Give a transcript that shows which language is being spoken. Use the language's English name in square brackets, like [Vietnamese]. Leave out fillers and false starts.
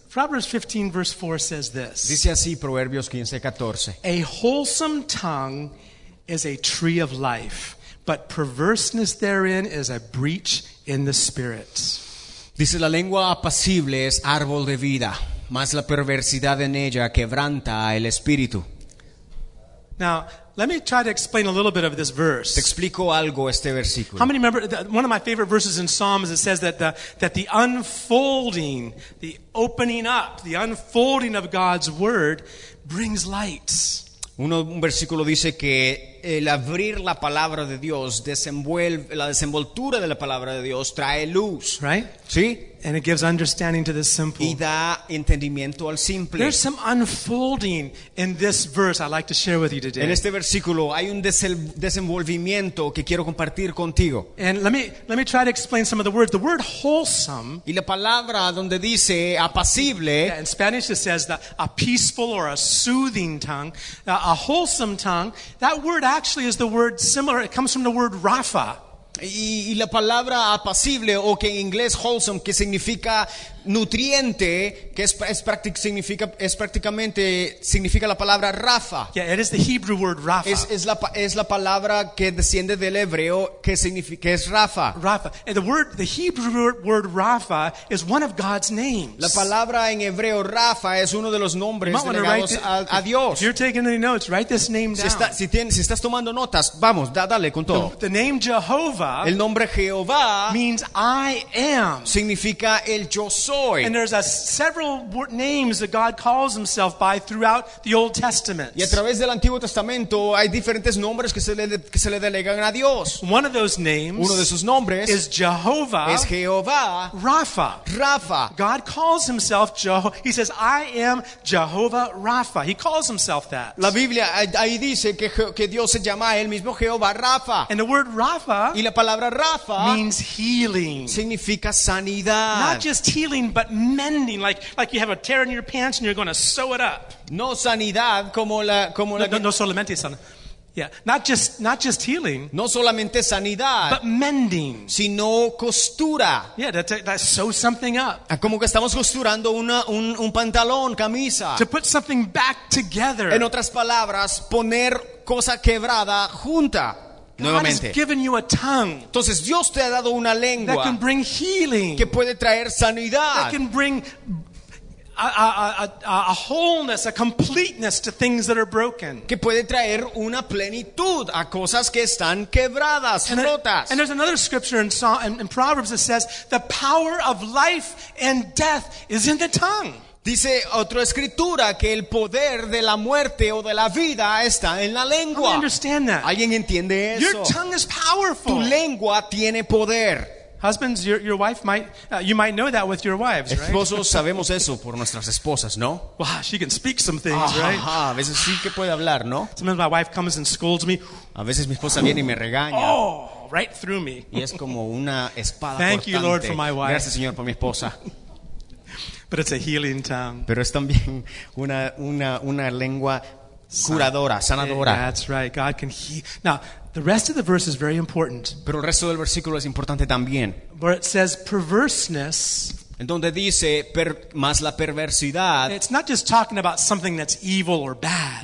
[English] Proverbs 15 verse 4 says this. [Spanish] Dice así Proverbios 15:14. [English] A wholesome tongue is a tree of life, but perverseness therein is a breach in the spirit. [Spanish] Dice la lengua apacible es árbol de vida, mas la perversidad en ella quebranta el espíritu. [English] Now, let me try to explain a little bit of this verse. [Spanish] Te explico algo este versículo. [English] How many remember one of my favorite verses in Psalms? It says that the unfolding, the opening up, the unfolding of God's word brings light. [Spanish] Un versículo dice que el abrir la palabra de Dios desenvuelve la desenvoltura de la palabra de Dios trae luz, [English] right? [Spanish] Sí. [English] And it gives understanding to the simple. [Spanish] Y da entendimiento al simple. [English] There's some unfolding in this verse I'd like to share with you today. [Spanish] En este versículo hay un desenvolvimiento que quiero compartir contigo. [English] And let me try to explain some of the words. The word wholesome. [Spanish] Y la palabra donde dice apacible. [English] Yeah, in Spanish it says that a peaceful or a soothing tongue, a wholesome tongue. That word actually is the word similar. It comes from the word Rafa. [Spanish] Y la palabra apacible o que en inglés wholesome que significa nutriente que significa la palabra Rafa. [English] Yeah, it is the Hebrew word Rafa. [Spanish] Es la palabra que desciende del hebreo que significa que es Rafa. Rafa. [English] And the Hebrew word Rafa is one of God's names. [Spanish] La palabra en hebreo Rafa es uno de los nombres delegados a Dios. [English] If you're taking any notes, write this name down. [Spanish] Si estás tomando notas, vamos, dale con todo. [English] The name Jehovah. [Spanish] El nombre Jehová [English] means I am. [Spanish] Significa el yo soy. [English] And there's several names that God calls himself by throughout the Old Testament. [Spanish] Y a través del Antiguo Testamento hay diferentes nombres que se le delegan a Dios. [English] One of those names, [Spanish] uno de esos nombres, [English] is Jehovah. [Spanish] Es Jehová. Rapha. Rapha. [English] God calls himself Jehovah. He says, "I am Jehovah Rapha." He calls himself that. [Spanish] La Biblia ahí dice que Dios se llama a él mismo Jehová Rapha. [English] And the word Rapha. [Spanish] Y la palabra Rapha [English] means healing. [Spanish] Significa sanidad. [English] Not just healing, but mending, like you have a tear in your pants and you're going to sew it up. [Spanish] No sanidad como la. No solamente sanidad. [English] Yeah, not just healing. [Spanish] No solamente sanidad, [English] but mending. [Spanish] Sino costura. [English] Yeah, that sew something up. [Spanish] Como que estamos costurando un pantalón, camisa. [English] To put something back together. [Spanish] En otras palabras, poner cosa quebrada junta. [English] God has given you a tongue. [Spanish] Entonces Dios te ha dado una lengua [English] that can bring healing. [Spanish] Que puede traer sanidad. [English] That can bring a wholeness, a completeness to things that are broken. [Spanish] Que puede traer una plenitud a cosas que están quebradas, rotas. [English] And there's another scripture in Proverbs that says the power of life and death is in the tongue. [Spanish] Dice otra escritura que el poder de la muerte o de la vida está en la lengua. [English] I understand that. [Spanish] ¿Alguien entiende eso? [English] Your tongue is powerful. [Spanish] Tu lengua tiene poder. [English] Husbands, your wife might you might know that with your wives, right? [Spanish] Esposos sabemos eso por nuestras esposas, ¿no? [English] Wow, she can speak some things, right? [Spanish] Ajá, a veces sí que puede hablar, ¿no? [English] Sometimes my wife comes and scolds me. [Spanish] A veces mi esposa viene y me regaña. [English] Oh, right through me. [Spanish] Y es como una espada [English] Thank [Spanish] cortante. [English] You, Lord, for my wife. [Spanish] Gracias, Señor, por mi esposa. [English] But it's a healing tongue. [Spanish] Pero es también una lengua curadora, sanadora. [English] Yeah, that's right. God can heal. Now, the rest of the verse is very important. [Spanish] Pero el resto del versículo es importante también. [English] Where it says perverseness. [Spanish] En donde dice más la perversidad. [English] It's not just talking about something that's evil or bad.